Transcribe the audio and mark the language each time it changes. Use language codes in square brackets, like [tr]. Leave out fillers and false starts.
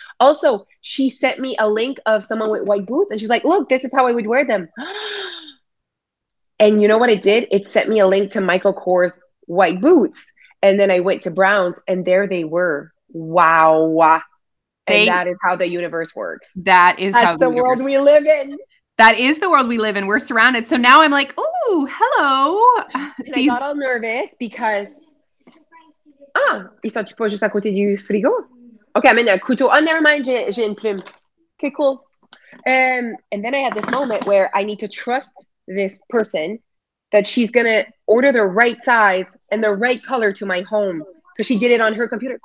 [en] Also, she sent me a link of someone with white boots, and she's like, look, this is how I would wear them. And you know what it did? It sent me a link to Michael Kors white boots. And then I went to Browns, and there they were. Wow. And that is how the universe works. That is how the world we live in. That is the world we live in. We're surrounded. So now I'm like, oh, hello. And I got all nervous because, [fr] ils sont pas juste à côté du frigo. [en] Okay, I'm in a couteau. Oh, never mind. [fr] J'ai une plume. [en] Okay, cool. And then I had this moment where I need to trust this person that she's going to order the right size and the right color to my home because she did it on her computer.